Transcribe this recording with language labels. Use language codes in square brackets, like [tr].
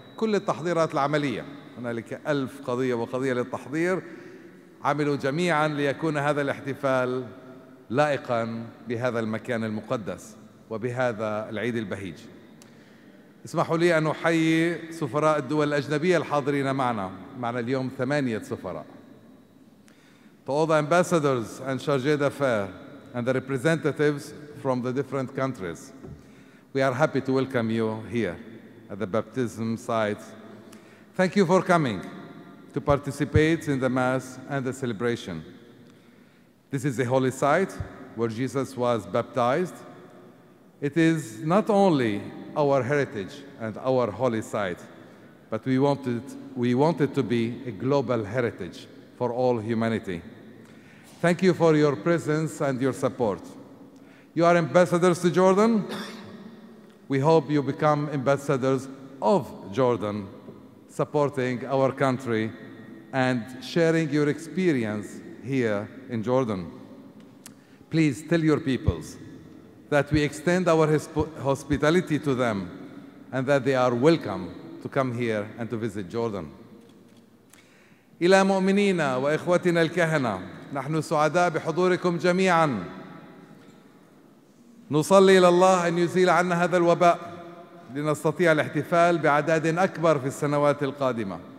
[ar] كل التحضيرات العملية، هنالك 1000 قضية وقضية للتحضير، عملوا جميعاً ليكون هذا الاحتفال لائقاً بهذا المكان المقدس وبهذا العيد البهيج. اسمحوا لي أن أحيي سفراء الدول الأجنبية الحاضرين معنا، معنا اليوم 8 سفراء. [en] All the ambassadors and chargés d'affaires and the representatives from the different countries, we are happy to welcome you here at the baptism site. Thank you for coming to participate in the mass and the celebration. This is the holy site where Jesus was baptized. It is not only our heritage and our holy site, but we want it to be a global heritage for all humanity. Thank you for your presence and your support. You are ambassadors to Jordan. We hope you become ambassadors of Jordan, supporting our country and sharing your experience here in Jordan. Please tell your peoples that we extend our hospitality to them and that they are welcome to come here and to visit Jordan. [ar] إلى مؤمنينا وإخوتنا الكهنة، نحن سعداء بحضوركم جميعا. نصلي إلى الله أن يزيل عنا هذا الوباء لنستطيع الاحتفال بعدد أكبر في السنوات القادمة.